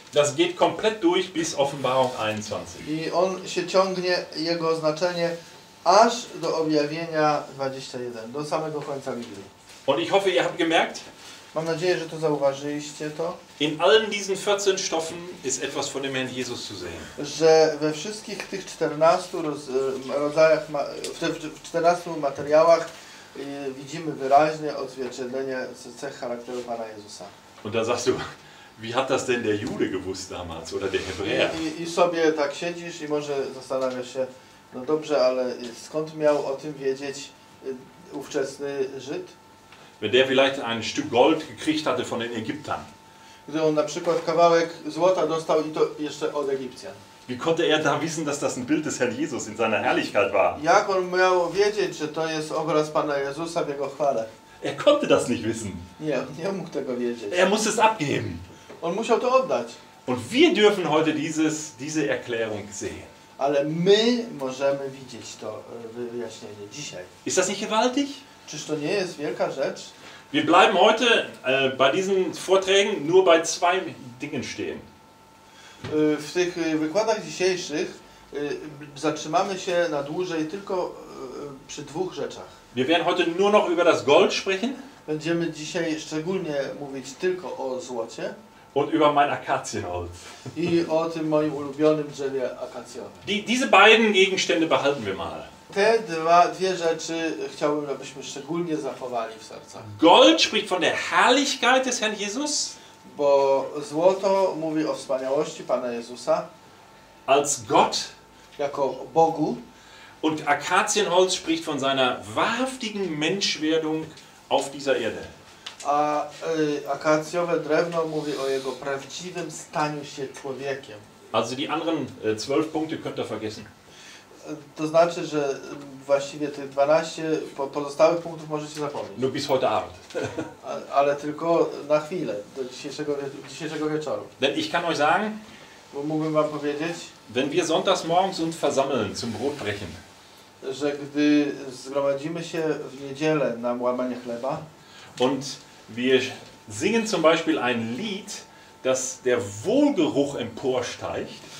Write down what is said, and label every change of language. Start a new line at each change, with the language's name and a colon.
German: Das geht komplett durch bis Offenbarung 21.
Polish: I on się ciągnie, jego znaczenie, aż do objawienia 21, do samego końca Biblii.
German: Und ich hoffe, ihr habt gemerkt.
Polish: Mam nadzieję, że to zauważyliście to.
German: In allen diesen 14 Stoffen ist etwas von dem Herrn Jesus zu sehen.
Polish: Że we wszystkich tych 14 rodzajach, w 14 materiałach widzimy wyraźne odzwierciedlenie cech charakteru Pana Jezusa.
German: Und da sagst du, wie hat das denn der Jude gewusst damals oder der Hebräer?
Polish: I sobie tak siedzisz i może zastanawiasz się, no dobrze, ale skąd miał o tym wiedzieć ówczesny Żyd?
German: Wenn der vielleicht ein Stück Gold gekriegt hatte von den Ägyptern.
Polish: Gdy on na przykład kawałek złota dostał i to jeszcze od Egipcjan.
German: Wie konnte er da wissen, dass das ein Bild des Herrn Jesus in seiner Herrlichkeit war?
Polish: Jak on miał wiedzieć, że to jest obraz Pana Jezusa w jego chwale?
German: Er konnte das nicht wissen.
Polish: Nie, nie mógł tego wiedzieć.
German: Er musste es abgeben.
Polish: On musiał to oddać.
German: Und wir dürfen heute diese Erklärung sehen.
Polish: Ale my możemy widzieć to wyjaśnienie dzisiaj.
German: Ist das nicht gewaltig?
Polish: Czyż to nie jest wielka rzecz?
German: Wir bleiben heute bei diesen Vorträgen nur bei zwei Dingen stehen.
Polish: W tych wykładach dzisiejszych zatrzymamy się na dłużej tylko przy dwóch rzeczach.
German: Wir werden heute nur noch über das Gold sprechen.
Polish: Będziemy dzisiaj szczególnie mówić tylko o złocie.
German: Und über mein Akazienholz.
Polish: I o tym moim ulubionym drzewie akacjowym.
German: Diese beiden Gegenstände behalten wir mal.
Polish: Te dwie rzeczy chciałbym, abyśmy szczególnie zachowali w sercach.
German: Gold spricht von der Herrlichkeit des Herrn Jesus.
Polish: Bo złoto mówi o wspaniałości Pana Jezusa.
German: Als Gott.
Polish: Jako Bogu.
German: Und Akazienholz spricht von seiner wahrhaftigen Menschwerdung auf dieser Erde.
Polish: A akacjowe drewno mówi o jego prawdziwym staniu się człowiekiem.
German: Also die anderen 12 Punkte könnt ihr vergessen.
Polish: To znaczy, że właściwie tych 12 pozostałych punktów możecie zapomnieć.
German: No bis heute Abend.
Polish: Ale tylko na chwilę, do dzisiejszego wieczoru.
German: Denn ich kann euch sagen,
Polish: bo mógłbym wam powiedzieć,
German: wenn wir sonntags morgens uns versammeln zum Brotbrechen,
Polish: że gdy zgromadzimy się w niedzielę na łamanie chleba
German: und wir singen zum Beispiel ein Lied, das der Wohlgeruch emporsteigt,